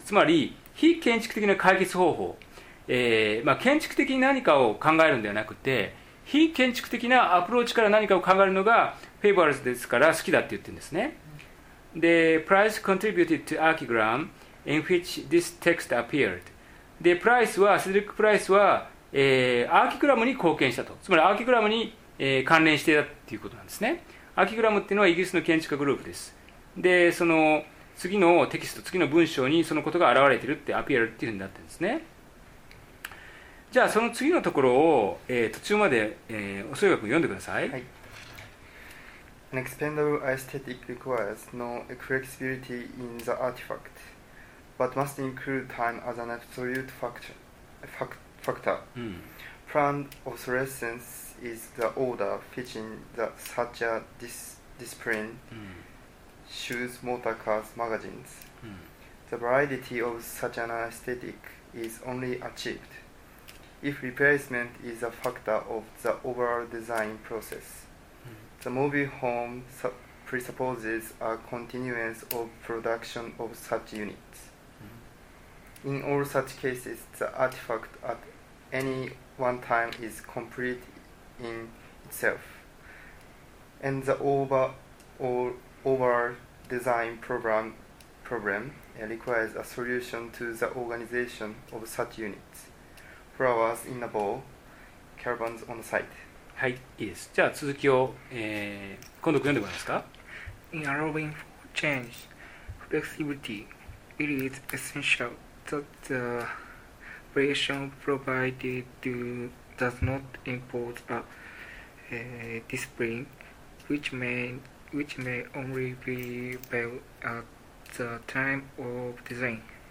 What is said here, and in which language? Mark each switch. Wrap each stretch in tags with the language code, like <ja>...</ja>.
<ja>つまり、非建築的な解決方法。まあ、建築的に何かを考えるのではなくて、非建築的なアプローチから何かを考えるのがフェイバーズですから好きだって言ってるんですね。</ja> <en>で、Price contributed to Archigram in which this text appeared.</en> <ja>で、プライスは、セドリック・プライスは、アーキグラムに貢献したと。つまり、アーキグラムに、関連していたっていうことなんですね。アーキグラムっていうのはイギリスの建築家グループです。で、その次のテキスト、次の文章にそのことが現れてるって、アピアルっていうふうになってるんですね。じゃあその次のところを、途中まで、おそよが君読んでください。はい。</ja> <en>An expendable aesthetic requires no flexibility in the artifact, but must include time as an absolute factor.、うん、 Planned obsolescence is the order fitting such a discipline、うん、 shoes, motor cars, magazines.、うん、 the variety of such an aesthetic is only achieved. If replacement is a factor of the overall design process, the movie home presupposes a continuance of production of such units. In all such cases, the artifact at any one time is complete in itself, and the overall design problem requires a solution to the organization of such units. Flowers in a bowl, caravans on site.</en> <ja>はい、いいです。じゃあ続きを、今度読んでもらえますか。</ja> <en>In allowing for change, flexibility, it is essential that the variation provided does not impose a discipline which may only be built at the time of design.</en>